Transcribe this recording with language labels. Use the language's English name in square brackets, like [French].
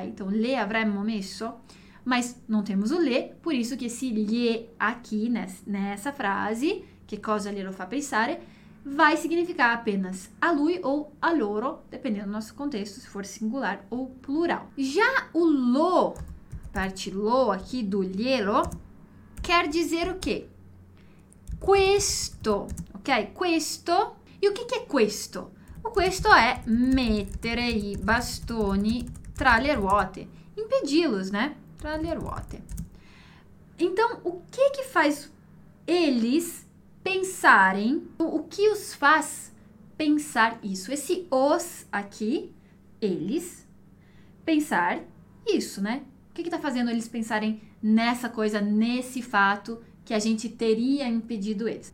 [Portuguese] Então le avremmo messo, mas não temos o le, por isso que esse lhe aqui nessa frase, che cosa glielo fa pensare, vai significar apenas a lui ou a loro, dependendo do nosso contexto, se for singular ou plural. Já o lo, parte lo aqui do glielo, quer dizer o quê? Questo, ok? Questo. E o que que é questo? [Italian] Questo è mettere i bastoni tra le ruote, impedi-los, né? Tra le ruote. [Portuguese] Então, o que que faz eles pensarem? O que os faz pensar isso? Esse os aqui, eles pensar isso, né? O que que tá fazendo eles pensarem nessa coisa, nesse fato que a gente teria impedido eles?